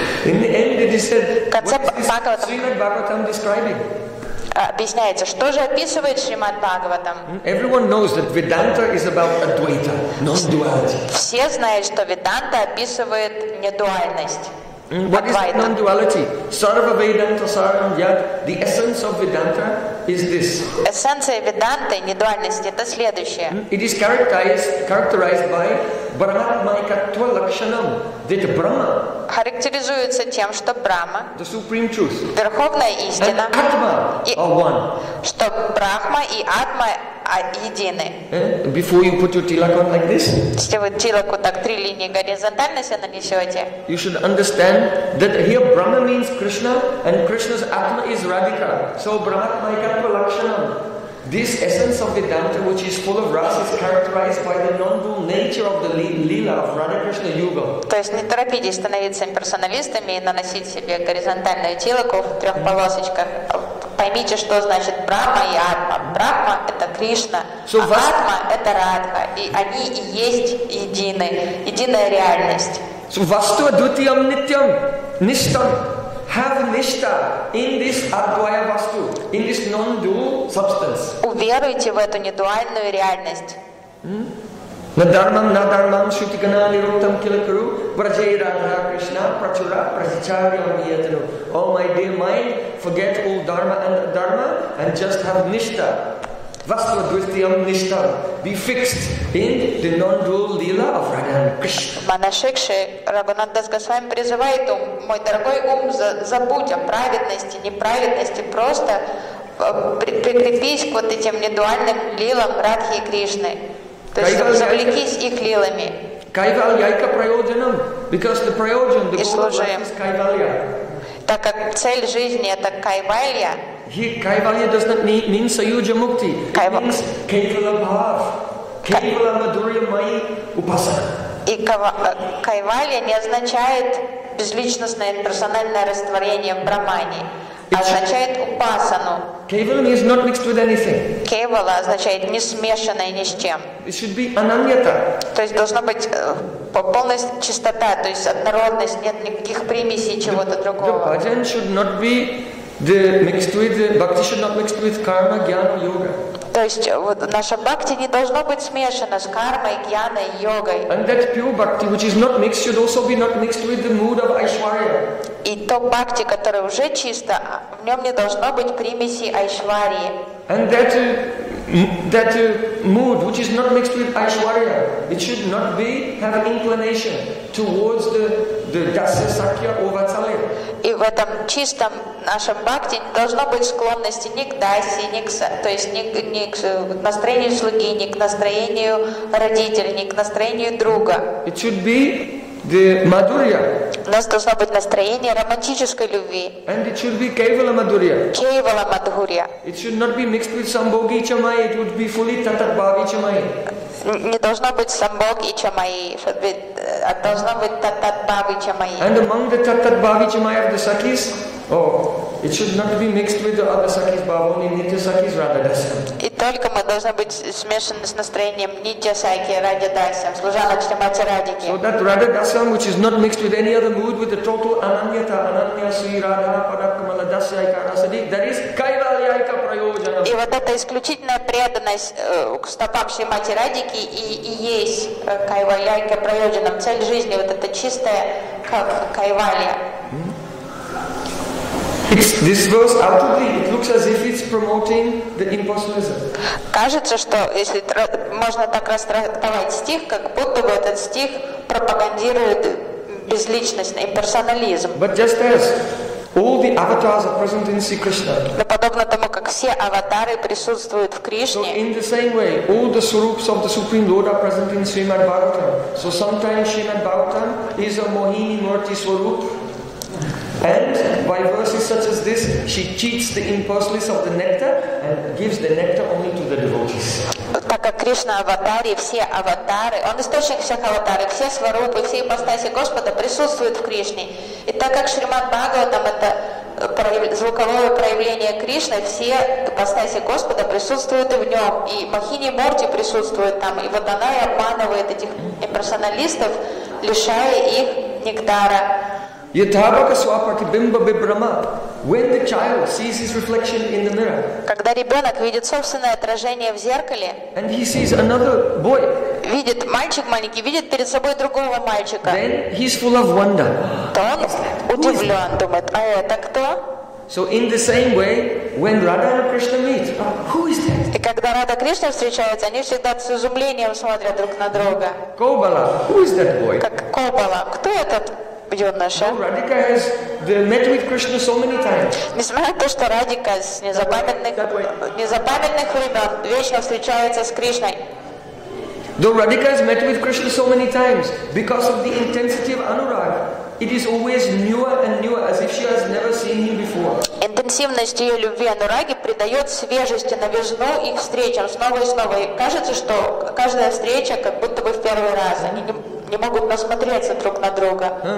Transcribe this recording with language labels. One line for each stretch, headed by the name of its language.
English: In the end, it is said, what is Srimad Bhagavatam describing?
Russian: Объясняется, что же описывает Шримад Бхагаватам?
English: Everyone knows that Vedanta is about Advaita, non-duality.
Russian: Все знают, что Веданта описывает недуальность.
English: What is non-duality?
Sanskrit: Sarva Vedanta Saram Yad.
English: The essence of Vedanta is this.
Russian: Эссенция Веданты, недуальности, это следующее.
English: It is characterized by Brahmatmaikatva Lakshanam. That Brahma.
Russian: Характеризуется тем, что Брахма,
English: the supreme truth,
Russian: верховная истина,
English: and Atma are one.
Russian: Что Брахма и Атма едины.
English: Before you put your tilak on like this,
Russian: если вы тилаку так три линии горизонтально себе нанесете,
English: you should understand that here Brahma means Krishna and Krishna's Atma is Radhika. So Brahmatmaikatva Lakshanam. This essence of Vedanta, which is full of rasa, is characterized by the non-dual nature of the lila of Radha Krishna Yuga.
Russian: То есть не торопитесь становиться имперсоналистами и наносить себе горизонтальную тилаку в трех полосочках. Поймите, что значит Брахма и Атма. Брахма — это Кришна,
English: so
Russian: а Атма — это Радха. И они и есть едины, единая реальность.
Sanskrit: So vastva dvitiyam nityam nishtam.
English: Have nishta in this advaya vastu, in this non-dual substance.
Russian: Уверуйте в эту недуальную реальность.
Sanskrit: Надармам надармам шутигана нируктам килакру вражей радха кришна прачура прасичарьям ядру.
English: О, my dear mind, forget all dharma and dharma and just have nishta. Vastu dvithiyam nishta. Be fixed in the non-dual lila of Radha and Krishna.
Russian: Манашикши Рагунат Дас Госвами призывает ум, мой дорогой ум, забудь о праведности, неправедности, просто прикрепись к вот этим недуальным лилам Радхи и Кришны. То есть завлекись их лилами.
English: Кайвальяйка прайоджанам, because the прайоджан, the goal of life is кайвалья.
Russian: Так как цель жизни это кайвалья,
English: Kaivalya does not mean Sayuja Mukti. It means Kevala Bhav.
Sanskrit: Kevala Madhurya Mai Upasana.
Russian: И Кайвалья не означает безличностное персональное растворение в Брахмане, а означает Упасану.
English: Kevala means not mixed with anything.
Russian: Kevala означает не смешанное ни с чем.
English: It should be Ananyata.
Russian: То есть должна быть полная чистота, то есть однородность, нет никаких примесей чего-то другого.
English: The bhajan should not be the mixed with bhakti should not mixed with karma, jnana, yoga.
Russian: То есть вот наша бхакти не должно быть смешана с кармой, гьяной, йогой.
English: And that pure bhakti, which is not mixed, should also be not mixed with the mood of Aishwarya.
Russian: И то бхакти, которое уже чисто, в нем не должно быть примеси Айшварии.
English: And that mood, which is not mixed with Aishwarya, it should not be have inclination towards the dasya, sakya, or vatsalya.
Russian: И в этом чистом нашем бхакти не должно быть склонности ни к даси, ни к, то есть ни к настроению слуги, ни к настроению родителей, ни к настроению друга.
English: It should be the madhurya.
Russian: У нас должно быть настроение романтической любви.
English: And it should be kevala madhurya.
Sanskrit: Kevala madhurya.
English: It should not be mixed with sambhogi chamai. It would be fully tatatbhavi chamai.
Russian: Не должно быть самбог и чамаи, а должно быть тататбави чамаи.
English: And among the тататбави чамаи of the сакис, it should not be mixed with the other сакис бава, only нитья сакис рада даса.
Russian: И только мы должны быть смешаны с настроением нитья саки рада даса, служаночным отца радики.
English: So that рада даса, which is not mixed with any other mood, with the total ананьята,
Sanskrit: ананья сви рада падакмала даса яйка расади,
English: that is кайвалья яйка прайоджана.
Russian: И вот эта исключительная преданность к стопам Шримати Радики и есть кайвалья и кайвальяйка, цель жизни, вот эта чистая кайвалья.
English: This verse outwardly it looks as if it's promoting the impersonalism.
Russian: Кажется, что если можно так растолковать стих, как будто бы этот стих пропагандирует безличность, имперсонализм.
English: But just as all the avatars are present in Sri Krishna.
Russian: Но подобно тому, как все аватары присутствуют в Кришне.
English: So in the same way, all the swarups of the Supreme Lord are present in Srimad Bhagavatam. So sometimes Srimad Bhagavatam is a Mohini Murti Swarup. And by verses such as this, she cheats the impersonalists of the nectar and gives the nectar only to the devotees.
Russian: Так как Кришна аватар, и все аватары, он источник всех аватаров, все сварупы, все ипостаси Господа присутствуют в Кришне. И так как Шримад Бхагаватам это звуковое проявление Кришны, все ипостаси Господа присутствуют и в нем. И Махини Мурти присутствует там, и вот она и обманывает этих имперсоналистов, лишая их нектара.
Sanskrit: Yathabaka swapratibimba bibrahma.
English: When the child sees his reflection in the mirror.
Russian: Когда ребенок видит собственное отражение в зеркале.
English: And he sees another boy.
Russian: Видит мальчик маленький, видит перед собой другого мальчика.
English: Then he's full of wonder.
Russian: То он удивлен, думает, а это кто?
English: So in the same way, when Radha and Krishna meet, who is that?
Russian: И когда Радха и Кришна встречаются, они всегда с изумлением смотрят друг на друга.
English: Kobala, who is that boy?
Russian: Как Kobala, кто этот?
English: So Radhika has met with Krishna so many times.
Russian: Несмотря на то, что Радика с незапамятных времен вечно встречается с Кришной.
English: Though Radhika has met with Krishna so many times, because of the intensity of anurag, it is always newer and newer, as if she has never seen him before.
Russian: Интенсивность ее любви анураги придает свежести, новизну их встречам снова и снова. И кажется, что каждая встреча как будто бы в первый раз. Они не могут насмотреться друг на друга.